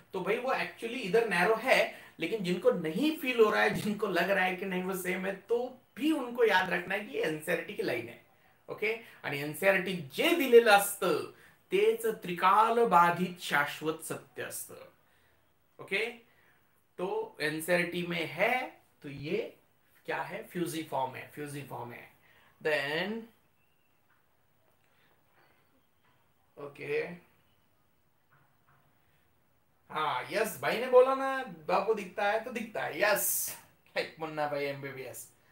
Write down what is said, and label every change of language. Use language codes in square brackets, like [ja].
[hi] तो भाई वो एक्चुअली इधर नैरो है, लेकिन जिनको नहीं फील हो रहा है, जिनको लग रहा है कि नहीं वो सेम है, तो भी उनको याद रखना है कि ये एनसीईआरटी की लाइन है। [mr] ओके आणि एनसीईआरटी जे दिलेलं असतं तेच त्रिकाल बाधित शाश्वत सत्य असतं. [hi] ओके तो एनसीईआरटी में है तो ये क्या है, फ्यूजीफॉर्म है, फ्यूजीफॉर्म है. देन ओके हाँ यस भाई ने बोला ना बापू दिखता है तो दिखता है, यस मुन्ना भाई एमबीबीएस.